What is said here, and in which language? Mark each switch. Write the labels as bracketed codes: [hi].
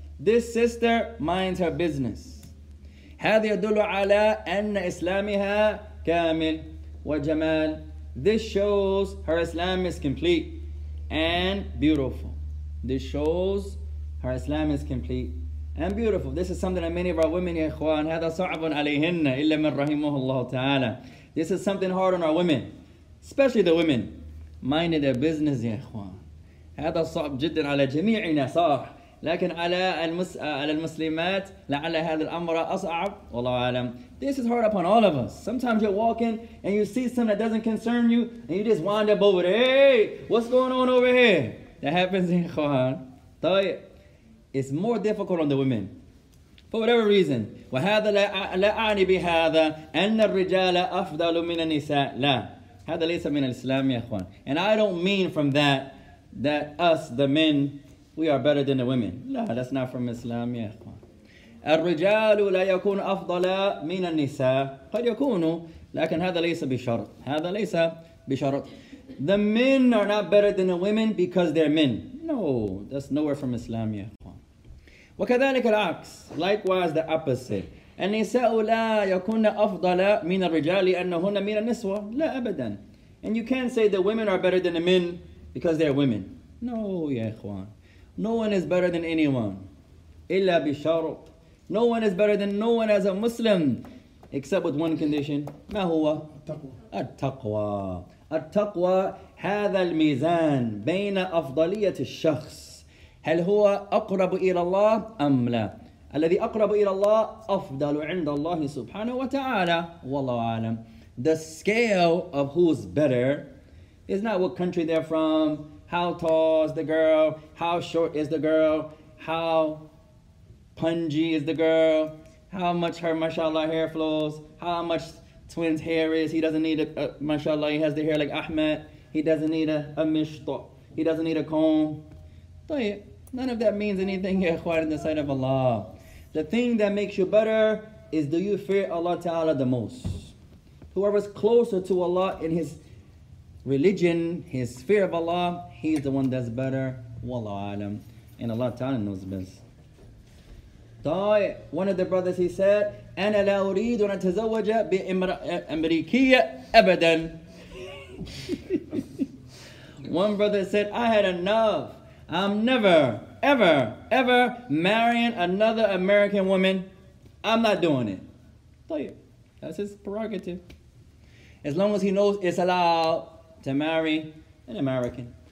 [en] This sister minds her business. [ar] Hadhi yadullu ala anna islamiha كامل وجمال. [en] This shows her Islam is complete and beautiful. This shows her Islam is complete and beautiful. This is something that many of our women, [ar] يا إخوان, هذا صعب عليهن إلا من رحمه الله تعالى. [en] This is something hard on our women, especially the women minding their business, [ar] يا إخوان. هذا صعب جدا على جميعنا صح. لكن على المسلمات لعل هذا الأمر أصعب والله أعلم. [en] This is hard upon all of us. Sometimes you're walking and you see something that doesn't concern you and you just wind up over there. Hey, what's going on over here? That happens in Quran. It's more difficult on the women. For whatever reason. [ar] وَهَذَا لَا أَعْنِي بِهَذَا أَنَّ الرِّجَالَ أَفْضَلُ مِنَ النِّسَاءِ لَا هَذَا لَيْسَ مِنَ الْإِسْلَامِ يَا أَخْوَانِ. [en] And I don't mean from that us, the men, we are better than the women. No, that's not from Islam, [ar] يا أخوان. الرجال لا يكون أفضل من النساء قد يكون لكن هذا ليس بشرط هذا ليس بشرط. [en] The men are not better than the women because they're men. No, that's nowhere from Islam, [ar] يا إخوان. وكذلك العكس. [en] Likewise, the opposite. [ar] النساء لا يكون أفضل من الرجال لأنهن من النسوة لا أبدا. [en] And you can't say the women are better than the men because they're women. [ar] No, يا إخوان. [en] No one is better than anyone. [ar] إلا بشرط. [en] No one is better than no one as a Muslim, except with one condition. [ar] ما هو؟ التقوى. التقوى هذا الميزان بين أفضلية الشخص. هل هو أقرب إلى الله أم لا؟ الذي أقرب إلى الله أفضل عند الله سبحانه وتعالى. والله أعلم. [en] The scale of who's better is not what country they're from, how tall is the girl, how short is the girl, how pungy is the girl, how much her mashallah hair flows, how much twins hair is, he doesn't need a mashallah, he has the hair like Ahmed, he doesn't need a mishto, he doesn't need a comb. None of that means anything, ya ikhwan, in the sight of Allah. The thing that makes you better is, do you fear Allah Ta'ala the most? Whoever's closer to Allah in his religion, his fear of Allah, he's the one that's better. Wallahu alam. And Allah Ta'ala knows best. One of the brothers, he said, [ar] أَنَا لَا أُرِيدُ أَنَا تَزَوَّجَ بِأَمْرِيكِيَ أَبَدًا. [en] One brother said, I had enough. I'm never, ever, ever marrying another American woman. I'm not doing it. طيب. That's his prerogative. As long as he knows it's allowed to marry an American.